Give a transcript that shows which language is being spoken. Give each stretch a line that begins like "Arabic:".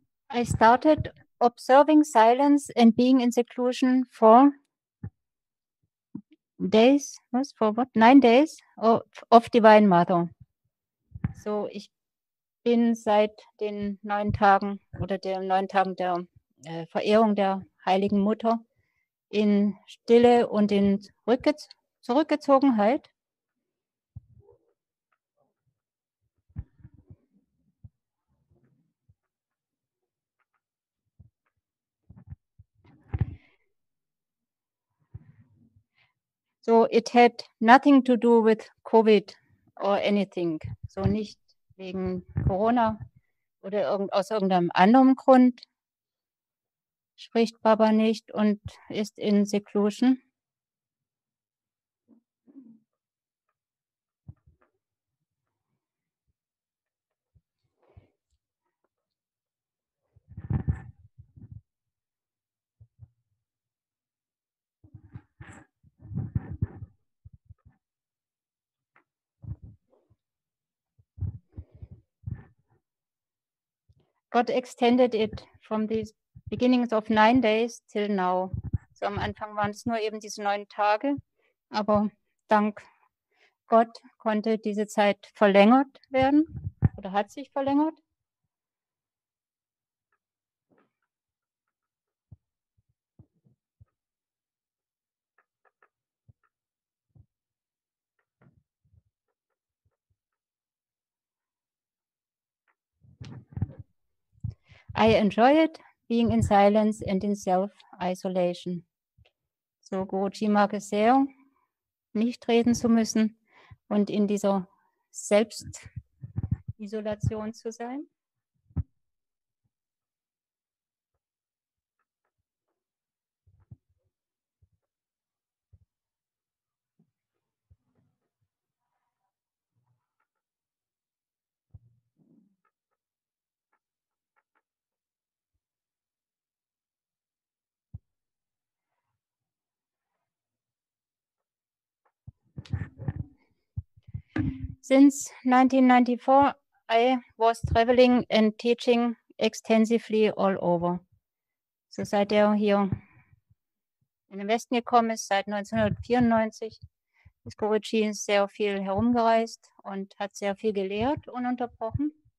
English: I started observing silence and being in seclusion for 4 days, was for what? 9 days of Divine Mother.
German: So ich bin seit den 9 Tagen oder den 9 Tagen der Verehrung der Heiligen Mutter in Stille und in Zurückgezogenheit.
English: So it had nothing to do with COVID or anything.
German: So nicht wegen Corona oder aus irgendeinem anderen Grund spricht Baba nicht und ist in Seclusion.
English: God extended it from these beginnings of 9 days till now.
German: So am Anfang waren es nur eben diese 9 Tage, aber dank Gott konnte diese Zeit verlängert werden oder hat sich verlängert.
English: I enjoy it, being in silence and in self-isolation.
German: So Guruji mag es sehr, nicht reden zu müssen und in dieser Selbstisolation zu sein.
English: Since 1994, I was traveling and teaching extensively all over.
German: So seit er hier in den Westen gekommen ist, seit 1994, Guruji ist sehr viel herumgereist und hat sehr viel gelehrt, ununterbrochen.